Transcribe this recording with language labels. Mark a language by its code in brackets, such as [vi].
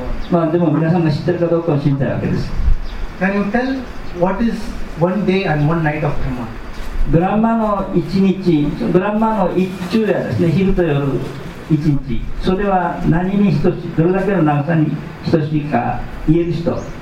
[ja] まあ、でも皆さんが知ってるかどうかを知りたいわけです。 [en] Can you tell what is one day and one night of Brahma? [ja] ブランマの一日、ブランマの一昼夜ですね、昼と夜一日、それは何に等しい、どれだけの長さに等しいか言える人。